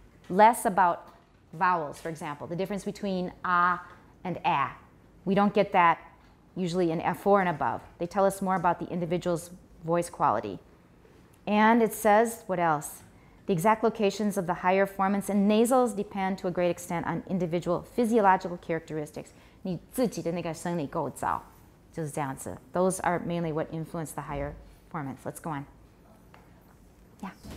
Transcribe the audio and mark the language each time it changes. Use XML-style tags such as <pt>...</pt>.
<en>Less about vowels, for example. The difference between ah and a. We don't get that usually in F4 and above. They tell us more about the individual's voice quality. And it says, what else? The exact locations of the higher formants and nasals depend to a great extent on individual physiological characteristics.</en> <zh>你自己的那个生理构造, 就是这样子.</zh> <en>Those are mainly what influence the higher formants. Let's go on. Yeah.</en>